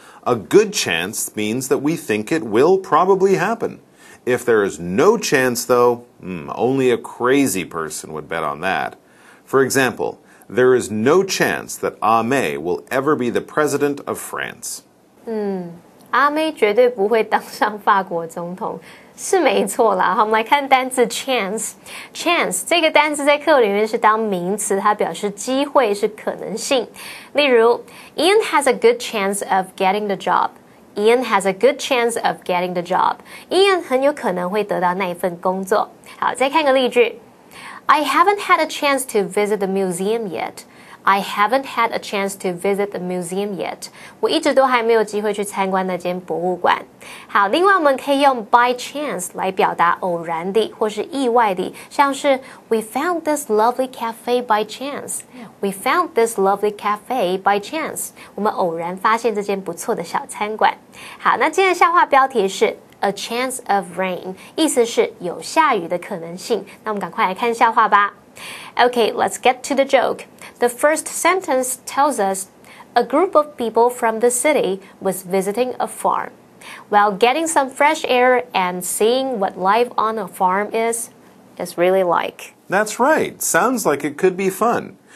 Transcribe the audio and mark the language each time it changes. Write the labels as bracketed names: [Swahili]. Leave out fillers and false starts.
[English] A good chance means that we think it will probably happen. If there is no chance, though, only a crazy person would bet on that. For example, there is no chance that Ame will ever be the president of France. Hmm. [Chinese] 阿妹绝对不会当上法国总统，是没错啦。好，我们来看单字 chance。chance 这个单字在课里面是当名词，它表示机会，是可能性。例如 [English] ，Ian has a good chance of getting the job。 Ian has a good chance of getting the job。 [Chinese] Ian 很有可能会得到那一份工作。好，再看个例句 ， [English] I haven't had a chance to visit the museum yet。 I haven't had a chance to visit the museum yet. [Chinese] 我一直都还没有机会去参观那间博物馆。好，另外我们可以用 by chance 来表达偶然的或是意外的，像是 [English] We found this lovely cafe by chance. We found this lovely cafe by chance. [Chinese] 我们偶然发现这间不错的小餐馆。好，那今天的笑话标题是 [English] A chance of rain， [Chinese] 意思是有下雨的可能性。那我们赶快来看笑话吧。 [English] Okay, let's get to the joke. The first sentence tells us, a group of people from the city was visiting a farm. While getting some fresh air and seeing what life on a farm is really like. That's right. Sounds like it could be fun.